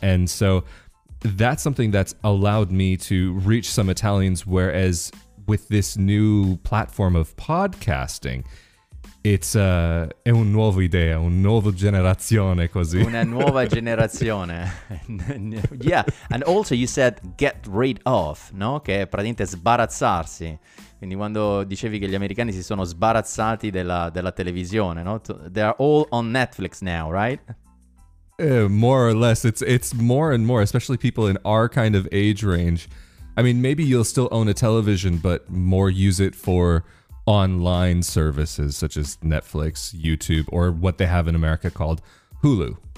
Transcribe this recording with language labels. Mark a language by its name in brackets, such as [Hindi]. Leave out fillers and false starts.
[English] And so that's something that's allowed me to reach some Italians, whereas with this new platform of podcasting, it's [Italian] è un nuovo idea, un nuovo generazione, così. Una nuova generazione. [English] Yeah, and also you said get rid of, no? [Italian] Che è praticamente sbarazzarsi. Quindi quando dicevi che gli americani si sono sbarazzati della televisione, no? [English] They are all on Netflix now, right? More or less. It's more and more, especially people in our kind of age range. I mean, maybe you'll still own a television, but more use it for online services such as Netflix, YouTube, or what they have in America called Hulu.